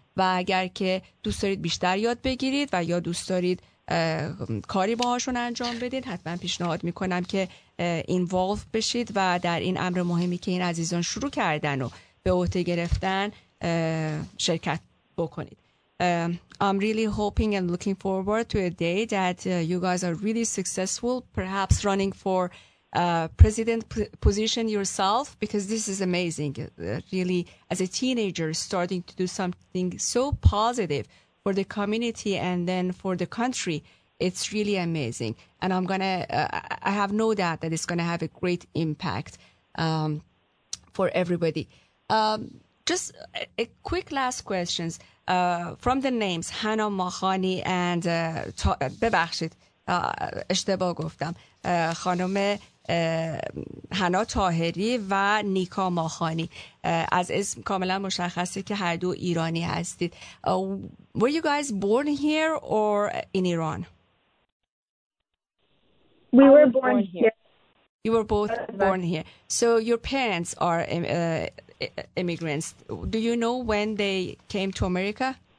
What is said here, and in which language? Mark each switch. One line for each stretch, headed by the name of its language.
Persian: و اگر که دوست دارید بیشتر یاد بگیرید و یا دوست دارید کاری باهاشون انجام بدید، حتما پیشنهاد میکنم که involved بشید و در این امر مهمی که این عزیزان شروع کردن و به عهده گرفتن شرکت بکنید.
English: I'm really hoping and looking forward to a day that you guys are really successful, perhaps running for president position yourself, because this is amazing. Really, as a teenager, starting to do something so positive for the community and then for the country, it's really amazing. And I'm gonna, I have no doubt that it's gonna have a great impact for everybody. Just a quick last questions from the names Hana Mahani and
Persian: ببخشید اشتباه گفتم خانم هنا طاهری و نیکا ماخانی، از اسم کاملا مشخصه که هر دو ایرانی هستید.
English: Were you guys born here or in Iran? We were born here. You were both born here. So your parents are immigrants. Do you know when they came to America?